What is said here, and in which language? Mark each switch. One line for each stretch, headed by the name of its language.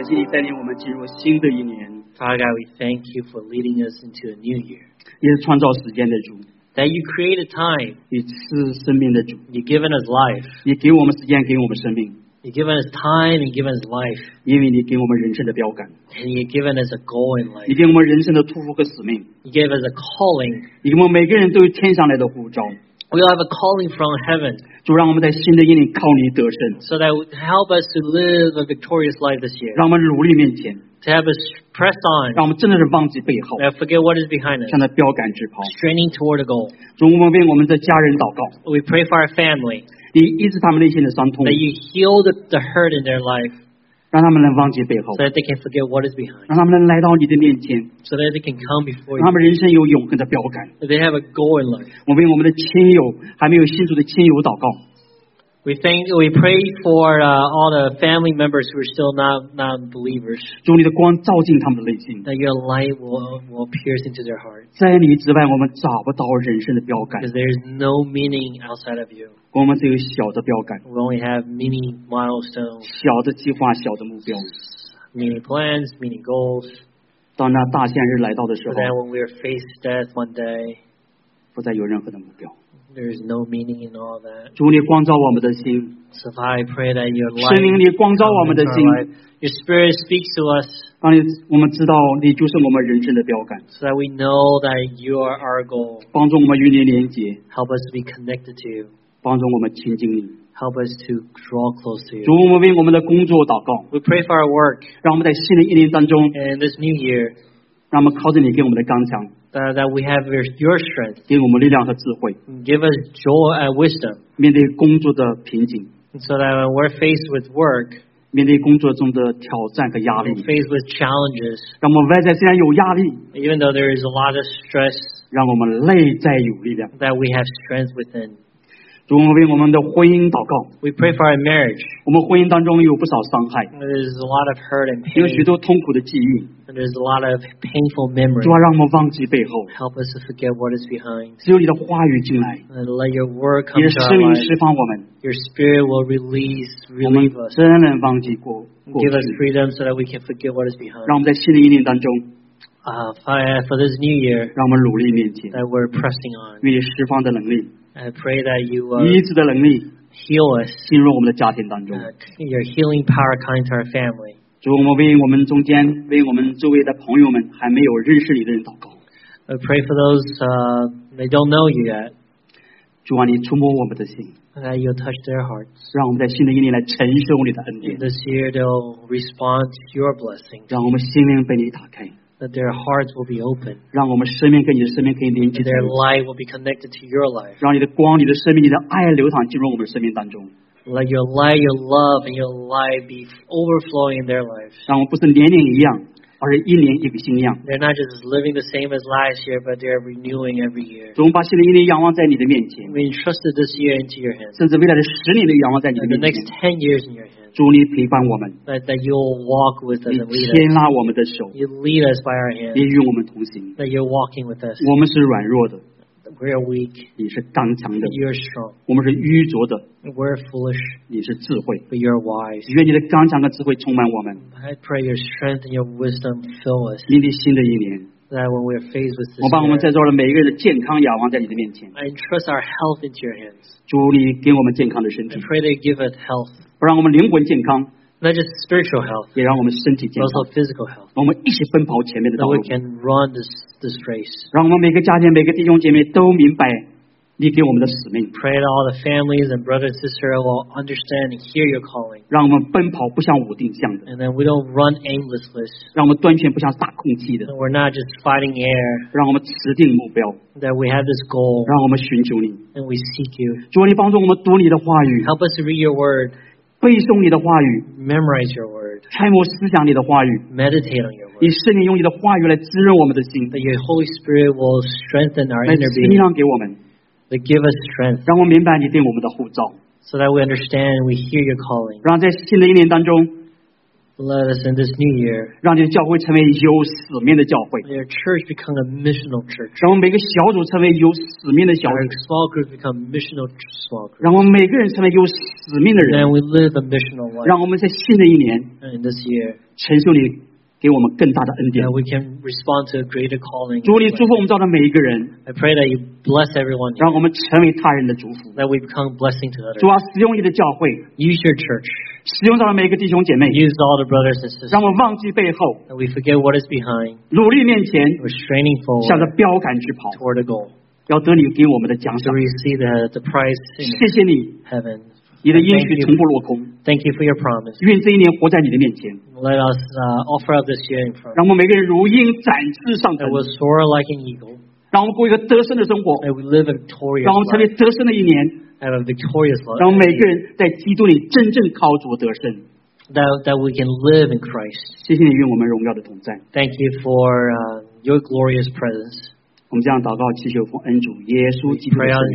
Chinese: 带领我们进入新的一年。
English: Father God, we thank you for leading us into a new year.
Chinese: 你是创造时间的主。
English: That you created time.
Chinese: 你是生命的主。
English: You've given us life.
Chinese: 你给我们时间，给我们生命。
English: You've given us time and given us life.
Chinese: 因为你给我们人生的标杆。
English: And you've given us a goal in life.
Chinese: 你给我们人生的托付和使命。
English: You gave us a calling.
Chinese: 你给我们每个人都有天上来的呼召。
English: We all have a calling from heaven.
Chinese: 主让我们在新的一年靠你得胜。
English: So that would help us to live a victorious life this year.
Chinese: 让我们努力面前。
English: To have us press on.
Chinese: 让我们真的是忘记背后。
English: And forget what is behind us.
Chinese: 向着标杆直跑。
English: Straining toward a goal.
Chinese: 主我们为我们的家人祷告。
English: We pray for our family.
Chinese: 你医治他们内心的伤痛。
English: That you heal the hurt in their life.
Chinese: 让他们能忘记背后
English: so that they can forget what is behind.
Chinese: 让他们能来到你的面前
English: so that they can come before you.
Chinese: 让他们人生有永恒的标杆
English: so they have a goal in life.
Chinese: 我为我们的亲友还没有信主的亲友祷告
English: we pray for all the family members who are still not believers.
Chinese: 主你的光照进他们的内心
English: that your light will pierce into their heart.
Chinese: 在你之外我们找不到人生的标杆
English: because there is no meaning outside of you.
Chinese: 我们只有小的标杆
English: We only have mini milestones
Chinese: 小的计划小的目标
English: Mini plans, mini goals
Chinese: 当那大限日来到的时候
English: But then when we are faced death one day
Chinese: 不再有任何的目标
English: There is no meaning in all that
Chinese: 主你光照我们的心
English: So I pray that your light
Chinese: 圣灵你光照我们的心
English: Your spirit speaks to us
Chinese: 当你我们知道你就是我们人生的标杆
English: So that we know that you are our goal
Chinese: 帮助我们与你连接
English: Help us be connected to you
Chinese: 帮助我们亲近你
English: Help us to draw close to you.
Chinese: 主我们为我们的工作祷告
English: We pray for our work.
Chinese: 让我们在新的一年当中
English: And this new year.
Chinese: 让我们靠着你给我们的刚强
English: That we have your strength.
Chinese: 给我们力量和智慧
English: Give us joy and wisdom.
Chinese: 面对工作的瓶颈
English: So that when we're faced with work.
Chinese: 面对工作中的挑战和压力
English: Faced with challenges.
Chinese: 让我们外在虽然有压力
English: Even though there is a lot of stress.
Chinese: 让我们内在有力量
English: That we have strength within.
Chinese: 主我们为我们的婚姻祷告
English: We pray for our marriage.
Chinese: 我们婚姻当中有不少伤害
English: There's a lot of hurt and pain.
Chinese: 有许多痛苦的记忆
English: There's a lot of painful memories.
Chinese: 主啊让我们忘记背后
English: Help us to forget what is behind.
Chinese: 只有你的话语进来
English: And let your word come to our lives.
Chinese: 你的圣灵释放我们
English: Your spirit will relieve us.
Chinese: 我们真的能忘记过去
English: Give us freedom so that we can forget what is behind.
Chinese: 让我们在新的一年当中
English: For this new year.
Chinese: 让我们努力面前
English: That we're pressing on.
Chinese: 与你释放的能力
English: I pray that you will heal us.
Chinese: 进入我们的家庭当中
English: Your healing power coming to our family.
Chinese: 主我们为我们中间为我们周围的朋友们还没有认识你的人祷告
English: I pray for those they don't know you yet.
Chinese: 主啊你触摸我们的心
English: That you'll touch their hearts.
Chinese: 让我们在新的一年来承受你的恩典
English: This year they'll respond to your blessing.
Chinese: 让我们心灵被你打开
English: That their hearts will be open.
Chinese: 让我们生命跟你的生命可以连接。
English: Their life will be connected to your life.
Chinese: 让你的光、你的生命、你的爱流淌进入我们的生命当中。
English: Let your light, your love, and your life be overflowing in their lives.
Chinese: 让我们不是年年一样，而是一年一个新样。
English: They're not just living the same as last year, but they're renewing every year.
Chinese: 主，我们把新的一年仰望在你的面前。
English: We entrusted this year into your hands.
Chinese: 甚至未来的十年都仰望在你的面前。
English: The next 10 years in your hands.
Chinese: 主你陪伴我们
English: that you'll walk with us and lead us
Chinese: 你牵拉我们的手
English: you lead us by our hands
Chinese: 你与我们同行
English: that you're walking with us
Chinese: 我们是软弱的
English: we're weak
Chinese: 你是刚强的
English: you're strong
Chinese: 我们是愚拙的
English: we're foolish
Chinese: 你是智慧
English: but you're wise
Chinese: 愿你的刚强和智慧充满我们
English: I pray your strength and your wisdom fill us
Chinese: 面对新的一年
English: that when we're faced with this
Chinese: 我把我们在座的每一个人的健康仰望在你的面前
English: I entrust our health into your hands
Chinese: 主你给我们健康的身体
English: I pray that you give us health
Chinese: 不让我们灵魂健康
English: Not just spiritual health
Chinese: 也让我们身体健康
English: But also physical health
Chinese: 让我们一起奔跑前面的道路
English: That we can run this race
Chinese: 让我们每个家庭每个弟兄姐妹都明白你给我们的使命
English: Pray that all the families and brothers and sisters will understand and hear your calling
Chinese: 让我们奔跑不像无定向的
English: And then we don't run aimlessly
Chinese: 让我们端拳不像打空气的
English: We're not just fighting air
Chinese: 让我们持定目标
English: That we have this goal
Chinese: 让我们寻求你
English: And we seek you
Chinese: 主啊你帮助我们读你的话语
English: Help us to read your word
Chinese: 背诵你的话语
English: Memorize your word
Chinese: 揣摩思想你的话语
English: Meditate on your word
Chinese: 以圣灵用你的话语来滋润我们的心
English: That your Holy Spirit will strengthen our inner being
Chinese: 来激励给我们
English: That give us strength
Chinese: 让我们明白你对我们的呼召
English: so that we understand and we hear your calling.
Chinese: 让在新的一年当中
English: Let us in this new year,
Chinese: 让你的教会成为有使命的教会
English: Your church become a missional church.
Chinese: 让我们每个小组成为有使命的小组
English: Our small group become missional small group.
Chinese: 让我们每个人成为有使命的人
English: And we live a missional life.
Chinese: 让我们在新的一年
English: In this year,
Chinese: 承受你给我们更大的恩典
English: And we can respond to a greater calling.
Chinese: 主你祝福我们到的每一个人
English: I pray that you bless everyone.
Chinese: 让我们成为他人的祝福
English: That we become blessing to others.
Chinese: 主啊使用你的教会
English: Use your church.
Chinese: 使用到的每一个弟兄姐妹
English: Use all the brothers and sisters.
Chinese: 让我们忘记背后
English: That we forget what is behind.
Chinese: 努力面前
English: We're straining forward.
Chinese: 向着标杆去跑
English: Toward a goal.
Chinese: 要得你给我们的奖赏
English: To receive the prize in
Chinese: 谢谢你
English: heaven.
Chinese: 你的应许从不落空
English: Thank you for your promise
Chinese: 愿这一年活在你的面前
English: Let us offer up this year in front
Chinese: 让我们每个人如鹰展翅上腾
English: That we'll soar like an eagle
Chinese: 让我们过一个得胜的生活
English: That we live a victorious life
Chinese: 让我们成为得胜的一年
English: And a victorious life
Chinese: 让我们每个人在基督里真正靠主得胜
English: That we can live in Christ
Chinese: 谢谢你与我们荣耀的同在
English: Thank you for your glorious presence
Chinese: 我们这样祷告祈求奉恩主耶稣基督的圣名